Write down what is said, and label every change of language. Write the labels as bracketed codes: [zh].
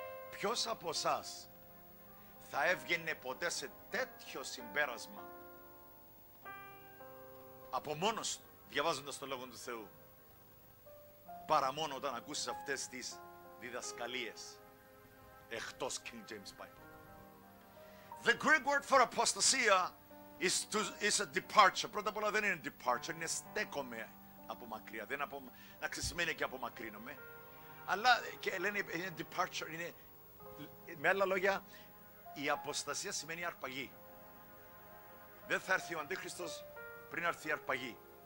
[el] Ποιος από εσάς θα έβγαινε ποτέ σε τέτοιο συμπέρασμα από μόνος του, διαβάζοντας τον Λόγο του Θεού, παρά μόνο όταν ακούσεις αυτές τις διδασκαλίες εκτός King James Bible? [en] The Greek word for apostasia is a departure. [el] Πρώτα απ' όλα δεν είναι departure, είναι στέκομαι από μακριά. Δεν σημαίνει και απομακρύνομαι. Αλλά και λένε είναι departure, είναι, με άλλα λόγια, η αποστασία σημαίνει αρπαγή. Δεν θα έρθει ο Αντίχριστος πριν έρθει η αρπαγή.